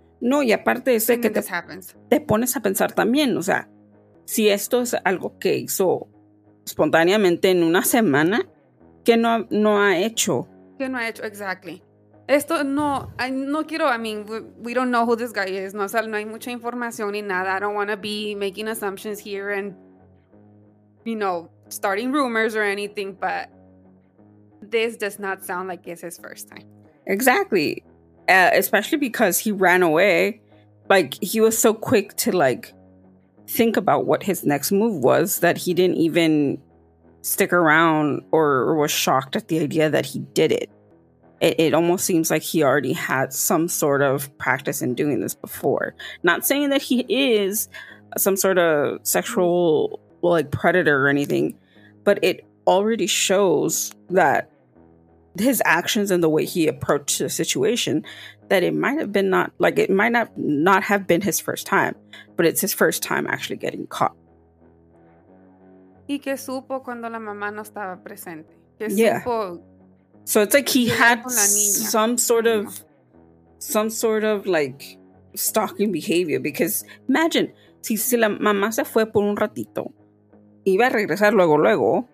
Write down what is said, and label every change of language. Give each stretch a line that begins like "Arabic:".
Spanish: No, y aparte de eso, que te pones a pensar también, o sea, si esto es algo que hizo espontáneamente en una semana, ¿qué no ha hecho? ¿Qué no ha hecho? Exactly. Esto no, no quiero,
English: I mean, we don't know who this guy is.
Spanish: No, o sea, no hay mucha información ni nada.
English: I don't want to be making assumptions here and, you know, starting rumors or anything, but this does not sound like it's his first time. Exactly. Especially because he ran away. Like, he was so quick to, like, think about what his next move was that he didn't even stick around or was shocked at the idea that he did it. It almost seems like he already had some sort of practice in doing this before. Not saying that he is some sort of sexual, like, predator or anything, but it already shows that his actions and the way he approached the situation, that it might have been not, like, it might not have been his first time, but it's his first time actually getting caught.
Spanish: Y que supo cuando la mamá no estaba presente. Supo.
English: So it's like he had some sort of like stalking behavior, because imagine
Spanish: si la mamá se fue por un ratito, iba a regresar luego.